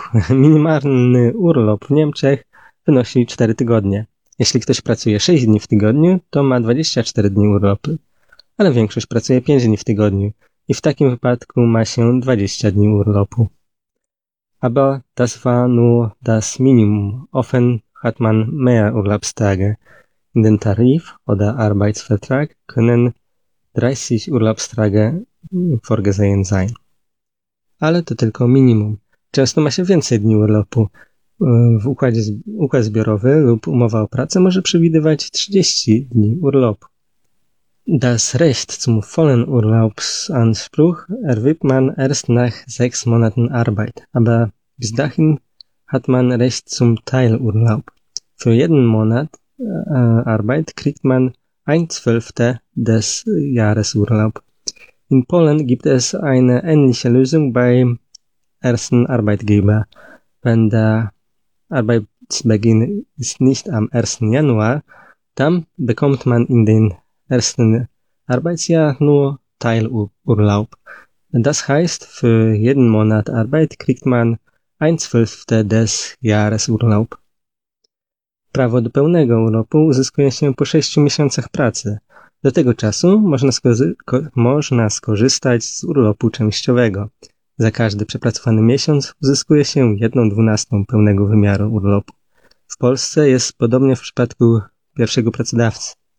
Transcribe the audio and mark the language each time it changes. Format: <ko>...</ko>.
<pl>Minimalny Urlaub w Niemczech wynosi 4 tygodnie. Jeśli ktoś pracuje 6 dni w tygodniu, to ma 24 dni urlopu, ale większość pracuje 5 dni w tygodniu i w takim wypadku ma się 20 dni urlopu.</pl> <de>Aber das war nur das Minimum. Often hat man mehr Urlaubstage. In den Tarif oder Arbeitsvertrag können 30 Urlaubstage vorgesehen sein.</de> <pl>Ale to tylko minimum. Często ma się więcej dni urlopu. W układzie układ zbiorowy lub umowa o pracę może przewidywać 30 dni urlopu.</pl> <de>Das Recht zum vollen Urlaubsanspruch erwirbt man erst nach 6 Monaten Arbeit, aber bis dahin hat man Recht zum Teilurlaub. Für jeden Monat Arbeit kriegt man 1/12 des Jahresurlaub. In Polen gibt es eine ähnliche Lösung beim ersten Arbeitgeber. Wenn der Arbeitsbeginn ist nicht am 1. Januar, dann bekommt man in den ersten Arbeitsjahr nur Teilurlaub. Das heißt, für jeden Monat Arbeit kriegt man 1/12 des Jahresurlaub.</de> <pl>Prawo do pełnego urlopu uzyskuje się po 6 miesiącach pracy. Do tego czasu można skorzystać z urlopu częściowego. Za każdy przepracowany miesiąc uzyskuje się 1/12 pełnego wymiaru urlopu. W Polsce jest podobnie w przypadku pierwszego pracodawcy.</pl>